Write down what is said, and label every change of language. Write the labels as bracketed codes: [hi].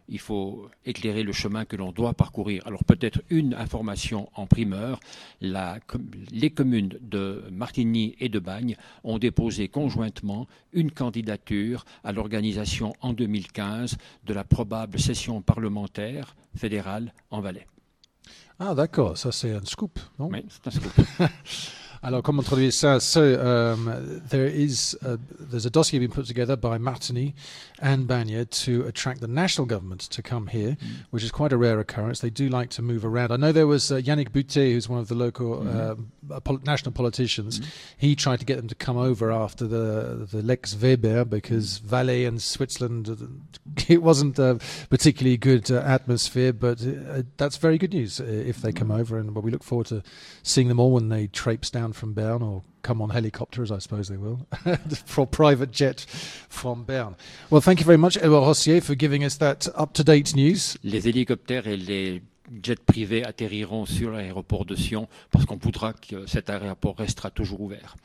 [fr] Il faut éclairer le chemin que l'on doit parcourir. Alors peut-être une information en primeur, les communes de Martigny et de Bagnes ont déposé conjointement une candidature à l'organisation en 2015 de la probable session parlementaire fédérale en Valais. Ah d'accord, ça c'est un scoop, non? Oui, c'est un scoop. Alors comment traduire ça? [en] So there's a dossier being put together by Martigny and Bagnères to attract the national government to come here, which is quite a rare occurrence. They do like to move around. I know there was Yannick Boutet, who's one of the local national politicians. Mm-hmm. He tried to get them to come over after the Lex Weber, because Valais and Switzerland, it wasn't a particularly good atmosphere. But that's very good news if they come over, and well, we look forward to seeing them all when they traipse down from Bern, or come on helicopters, I suppose they will, for private jet from Bern. Well, thank you very much, Edouard Rossier, for giving us that up-to-date news. [fr] Les hélicoptères et les jets privés atterriront sur l'aéroport de Sion, parce qu'on voudra que cet aéroport restera toujours ouvert.